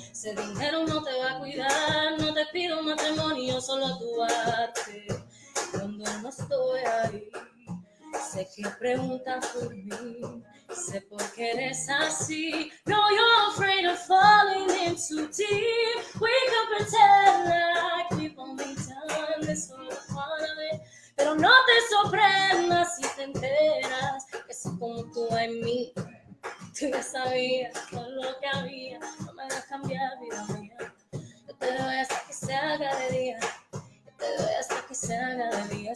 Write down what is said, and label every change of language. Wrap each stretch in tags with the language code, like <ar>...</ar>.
<es>Ese dinero no te va a cuidar, no te pido matrimonio, solo tu arte. Cuando no estoy ahí, sé que preguntas por mí, sé por qué eres así.</es> <en>No, you're afraid of falling in too deep. We can pretend like we've only done this for the fun of it.</en> <es>Pero no te sorprendas si te enteras que soy como tú en mí. que sabía todo lo que había. No me hagas cambiar, vida mía. Yo te doy hasta que se haga de día. Yo te doy hasta que se haga de día.</es>